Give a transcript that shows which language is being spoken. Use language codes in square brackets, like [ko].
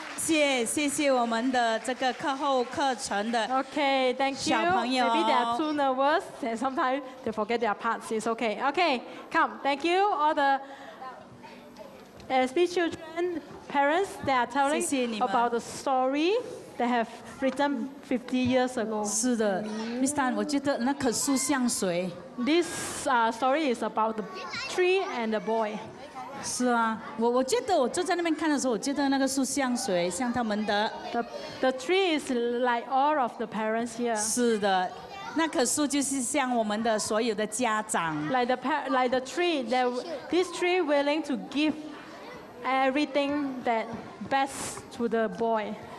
[zh] 谢谢我们的这个课后课程的 [en] Okay, thank you. Maybe they are too nervous and sometimes they forget their parts. It's okay. Okay, come. Thank you, all the ASB children, parents that are telling about the story they have written 50 years ago. [zh] 是的, Miss Tan, 我觉得那棵树像谁? [en] This story is about the tree and the boy. [zh] 是啊,我觉得我坐在那边看的时候,我觉得那个树像谁,像他们的? [en] The tree is like all of the parents here. [zh] 是的。那棵树就是像我们的所有的家长。 [en] Like the tree, this tree willing to give everything that best to the boy.